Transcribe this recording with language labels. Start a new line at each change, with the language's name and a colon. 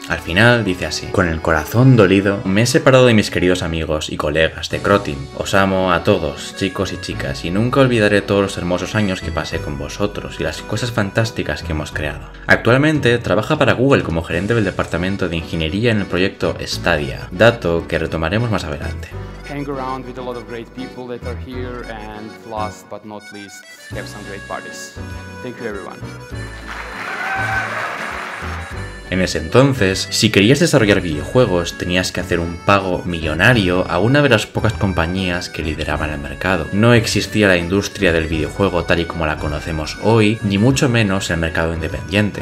Spanish: Al final dice así: con el corazón dolido, me he separado de mis queridos amigos y colegas de Croteam. Os amo a todos, chicos y chicas, y nunca olvidaré todos los hermosos años que pasé con vosotros y las cosas fantásticas que hemos creado. Actualmente trabaja para Google como gerente del departamento de ingeniería en el proyecto Stadia, dato que retomaremos más adelante.
English: Hang around with a lot of great people that are here, and last but not least, have some great parties. Thank you everyone.
Spanish: En ese entonces, si querías desarrollar videojuegos, tenías que hacer un pago millonario a una de las pocas compañías que lideraban el mercado. No existía la industria del videojuego tal y como la conocemos hoy, ni mucho menos el mercado independiente.